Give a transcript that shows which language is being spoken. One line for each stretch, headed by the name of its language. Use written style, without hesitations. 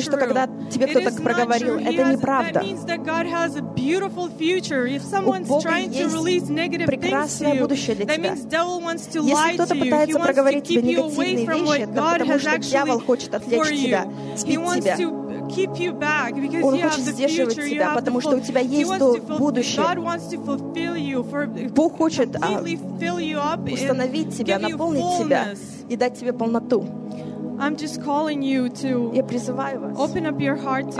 Russian: что когда тебе кто-то проговорил, это неправда. У Бога есть прекрасное будущее для тебя. Если кто-то пытается проговорить тебе негативные вещи, это потому что дьявол хочет отвлечь тебя, сбить тебя.
English: Keep you back because you have the future. You have the
Russian: потому что у тебя есть то будущее.
English: God wants to fulfill you for
Russian: Бог хочет установить тебя, наполнить тебя и дать тебе полноту.
English: I'm just calling you to open up your heart to God.